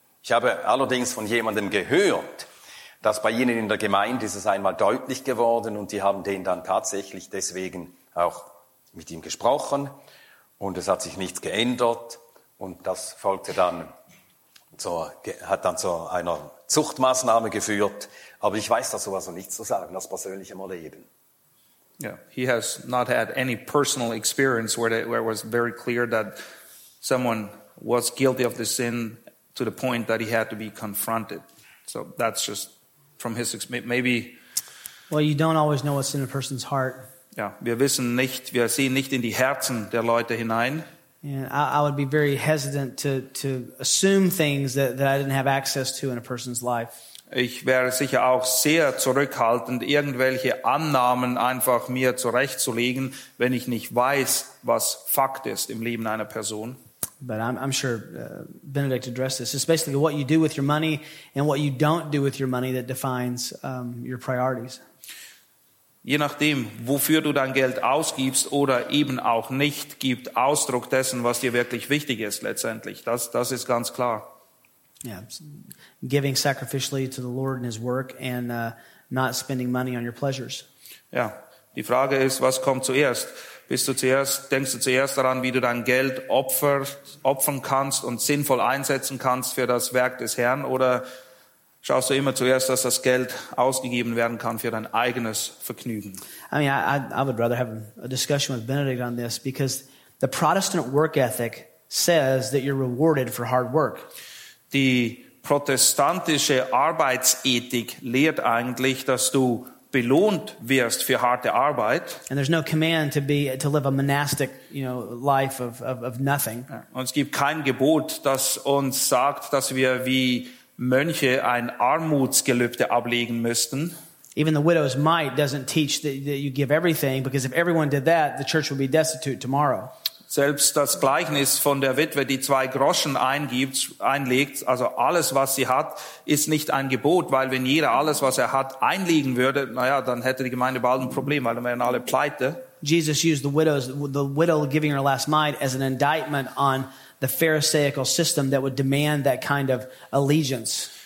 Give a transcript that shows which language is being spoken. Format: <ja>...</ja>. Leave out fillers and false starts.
<de>Ich habe allerdings von jemandem gehört, dass bei Ihnen in der Gemeinde ist es einmal deutlich geworden und die haben den dann tatsächlich deswegen auch mit ihm gesprochen und es hat sich nichts geändert und das folgte dann hat dann zu einer Zuchtmaßnahme geführt. Aber ich weiß da sowas also nicht zu sagen, aus persönlichem Erleben.</de> <en>Yeah, he has not had any personal experience where it was very clear that someone was guilty of the sin to the point that he had to be confronted. So that's just from his experience. Maybe. Well, you don't always know what's in a person's heart.</en> <de>Yeah, wir wissen nicht, wir sehen nicht in die Herzen der Leute hinein.</de> <en>I would be very hesitant to assume things that I didn't have access to in a person's life.</en> <de>Ich wäre sicher auch sehr zurückhaltend, irgendwelche Annahmen einfach mir zurechtzulegen, wenn ich nicht weiß, was Fakt ist im Leben einer Person.</de> <en>But I'm sure Benedict addressed this. It's basically what you do with your money and what you don't do with your money that defines your priorities.</en> <de>Je nachdem, wofür du dein Geld ausgibst oder eben auch nicht, gibt Ausdruck dessen, was dir wirklich wichtig ist letztendlich. Das ist ganz klar.</de> <en>Yeah, giving sacrificially to the Lord and His work and not spending money on your pleasures.</en> <de>Ja, die Frage ist, was kommt zuerst? Denkst du zuerst daran, wie du dein Geld opfern kannst und sinnvoll einsetzen kannst für das Werk des Herrn? Oder schaust du immer zuerst, dass das Geld ausgegeben werden kann für dein eigenes Vergnügen?</de> <en>I mean, I would rather have a discussion with Benedict on this because the Protestant work ethic says that you're rewarded for hard work.</en> <de>Die protestantische Arbeitsethik lehrt eigentlich, dass du belohnt wirst für harte Arbeit.</de> <en>And there's no command to live a monastic, you know, life of nothing.</en> <de>Und es gibt kein Gebot, das uns sagt, dass wir wie Mönche ein Armutsgelübde ablegen müssten.</de> <en>Even the widow's mite doesn't teach that you give everything, because if everyone did that, the church would be destitute tomorrow.</en> <de>Selbst das Gleichnis von der Witwe, die 2 Groschen einlegt, also alles, was sie hat, ist nicht ein Gebot, weil wenn jeder alles, was er hat, einlegen würde, naja, dann hätte die Gemeinde bald ein Problem, weil dann wären alle pleite.</de> <en>Jesus used the widow giving her last mite as an indictment on the Pharisaical system that would demand that kind of allegiance.</en>